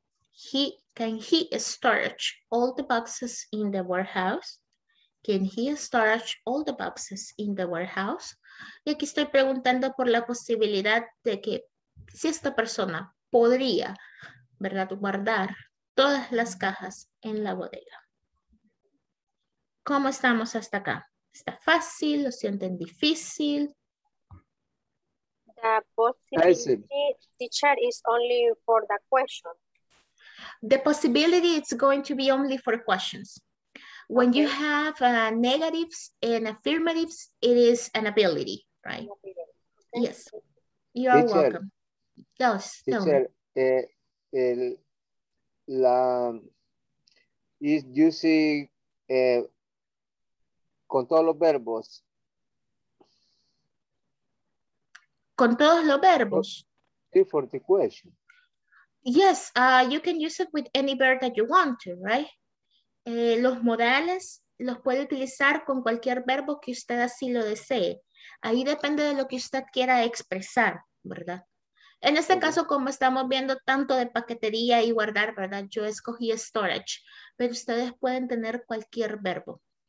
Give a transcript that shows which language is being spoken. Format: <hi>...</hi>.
<en>He, can he storage all the boxes in the warehouse? Can he storage all the boxes in the warehouse?</en> <es>Y aquí estoy preguntando por la posibilidad de que si esta persona podría, ¿verdad?, guardar todas las cajas en la bodega. ¿Cómo estamos hasta acá? ¿Está fácil? ¿Lo sienten difícil?</es> <en>The possibility, teacher, is only for the question. The possibility is going to be only for questions. When you have negatives and affirmatives, it is an ability, right? Yes, you are teacher, welcome. Yes, teacher, is using</en> <es>con todos los verbos. Con todos los verbos. Sí,</es> <en>for the question. Yes, you can use it with any verb that you want to, right?</en> <es>Los modales los puede utilizar con cualquier verbo que usted así lo desee. Ahí depende de lo que usted quiera expresar, ¿verdad? En este caso, como estamos viendo tanto de paquetería y guardar, ¿verdad? Yo escogí storage, pero ustedes pueden tener cualquier verbo.</es>